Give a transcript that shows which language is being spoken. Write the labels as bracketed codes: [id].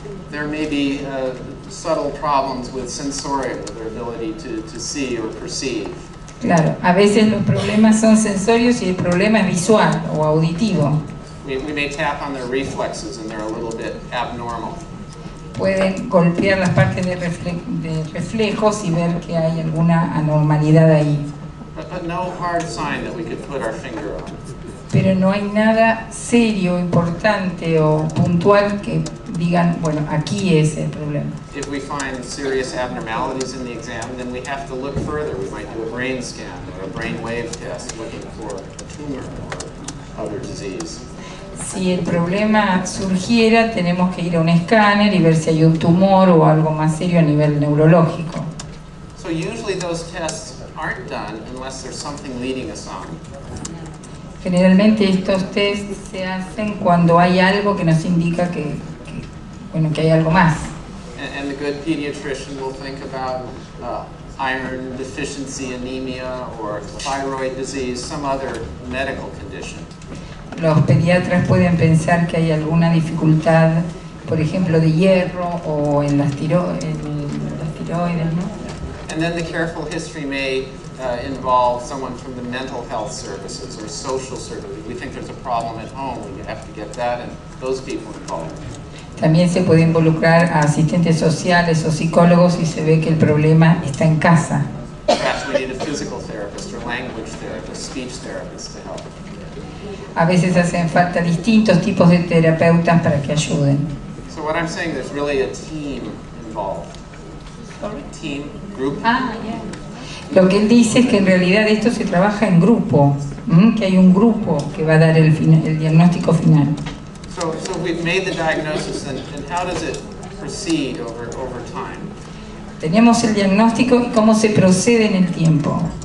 [en] There may be subtle problems with sensorium, with their ability to see or perceive. [es] Claro, a veces los problemas son sensorios y el problema es visual o auditivo. [en] We may tap on their reflexes and they're a little bit abnormal. [es] Pueden golpear las partes de reflejos y ver que hay alguna anormalidad ahí. [en] But no hard sign that we could put our finger on. [es] Pero no hay nada serio, importante o puntual que digan, bueno, aquí es el problema. [en] If we find serious abnormalities in the exam, then we have to look further. We might do a brain scan or a brain wave test looking for a tumor or other disease. [es] Si el problema surgiera, tenemos que ir a un escáner y ver si hay un tumor o algo más serio a nivel neurológico. [en] So usually those tests aren't done unless there's something leading us on. [es] Generalmente estos tests se hacen cuando hay algo que nos indica que hay algo más. [en] And the good pediatrician will think about iron deficiency anemia or thyroid disease, some other medical condition. [es] Los pediatras pueden pensar que hay alguna dificultad, por ejemplo, de hierro o en las tiroides, ¿no? [en] And then the careful history may involve someone from the mental health services or social services. We think there's a problem at home, we have to get that and those people involved. [es] También se puede involucrar a asistentes sociales o psicólogos si se ve que el problema está en casa. [en] Perhaps we need a physical therapist or language therapist, speech therapist to help. [es] A veces hacen falta distintos tipos de terapeutas para que ayuden. [en] So what I'm saying, there's really a team involved. Sorry. Team, group. [es] Lo que él dice es que en realidad esto se trabaja en grupo, que hay un grupo que va a dar el diagnóstico final. [en] So we've made the diagnosis, and how does it proceed over time? [es] Tenemos el diagnóstico y cómo se procede en el tiempo.